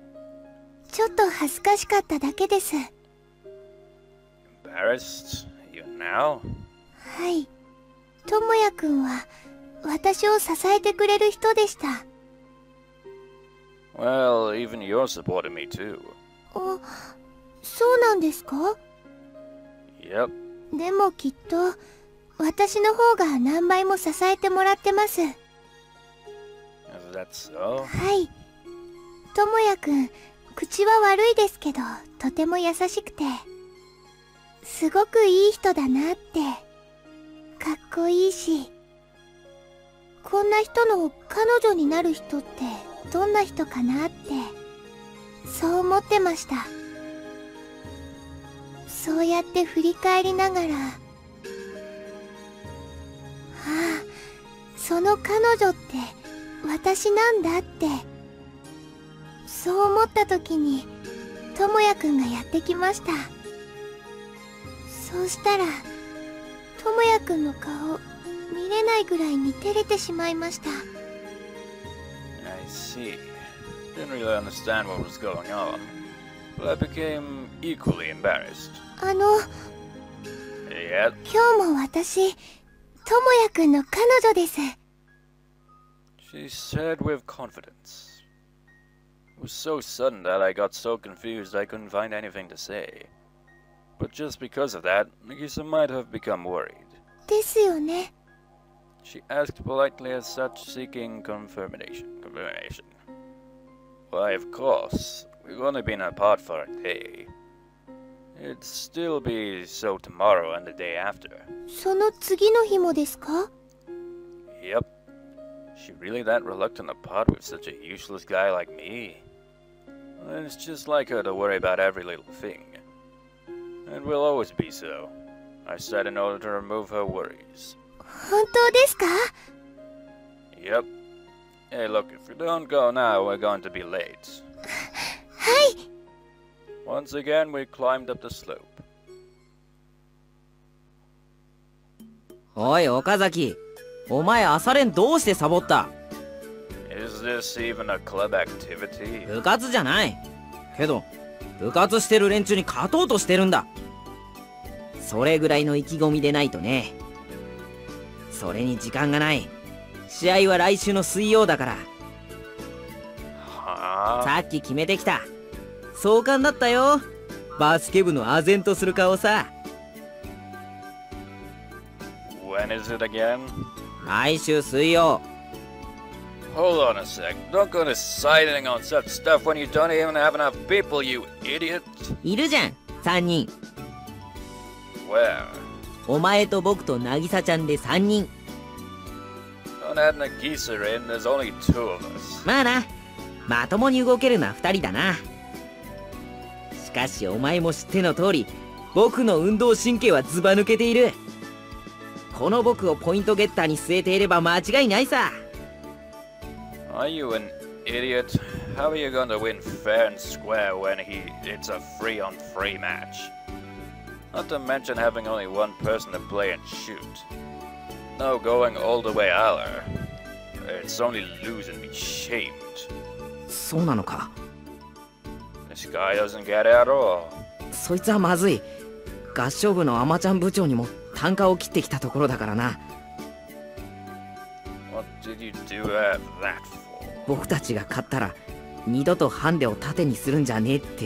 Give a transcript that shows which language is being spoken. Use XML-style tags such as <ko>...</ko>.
<ja>いえ、なんでもないです。ちょっと恥ずかしかっただけです。</ja> <en>Embarrassed? Even now?</en> <ja>はい。ともや君は 私を支えてくれる人でした。</ja> <en>Well, even you're supporting me too.</en> <ja>あ、そうなんですか?</ja> <en>Yep.</en> <ja>でもきっと私の方が何倍も支えてもらってます。</ja> <en>Is that so?</en> <ja>はい。ともや君、口は悪いですけど、とても優しくて。すごくいい人だなって。かっこいいし。こんな人の彼女になる人ってどんな人かなって、そう思ってました。そうやって振り返りながら、ああ、その彼女って私なんだって、そう思った時に、ともやくんがやってきました。そうしたら、ともやくんの顔、見れないぐらいに照れてしまいました。</ja> <en>I see. Didn't really understand what was going on. But I became equally embarrassed.</en> <ja>あの、</ja> <en>Yep.</en> <ja>今日も私、ともやくんの彼女です。</ja> <en>She said with confidence. It was so sudden that I got so confused I couldn't find anything to say. But just because of that, Nagisa might have become worried.</en> <ja>ですよね。</ja> <en>She asked politely as such, seeking confirmation. Why, of course. We've only been apart for a day. It'd still be so tomorrow and the day after.</en> <ja>その次の日もですか?</ja> <en>Yep. She really that reluctant to part with such a useless guy like me? It's just like her to worry about every little thing. It will always be so. I said in order to remove her worries.</en> <ja>本当ですか?</ja> <en>Yep. Hey, look, if we don't go now, we're going to be late.</en> <ja>はい!</ja> <en>Once again, we climbed up the slope.</en> <ja>おい、岡崎! お前、朝練どうしてサボった?</ja> <en>Is this even a club activity?</en> <ja>部活じゃない。けど、部活してる連中に勝とうとしてるんだ。それぐらいの意気込みでないとね。それに時間がない。試合は来週の水曜だから。はあ、さっき決めてきた。壮観だったよ。バスケ部の唖然とする顔さ。</ja> <en>When is it again?</en> <ja>来週水曜。</ja> <en>Hold on a sec. Don't go deciding on such stuff when you don't even have enough people, you idiot.</en> <ja>いるじゃん、3人。</ja> <en>Where?</en> <ja>お前と僕と渚ちゃんで3人。</ja> <en>Don't add Nagisa in, there's only two of us.</en> <ja>まあな、まともに動けるのは2人だな。しかしお前も知っての通り、僕の運動神経はズバ抜けている。この僕をポイントゲッターに据えていれば間違いないさ。</ja> <en>Are you an idiot? How are you going to win fair and square when it's a free-on-free match? Not to mention having only one person to play and shoot. No going all the way either. It's only losing me shamed.</en> <ja>そうなのか?</ja> <en>This guy doesn't get it at all.</en> <ja>そいつはまずい。合唱部のアマちゃん部長にも単価を切ってきたところだからな。</ja> <en>What did you do at that for?</en> <ja>僕たちが勝ったら二度とハンデを盾にするんじゃねえって。</ja>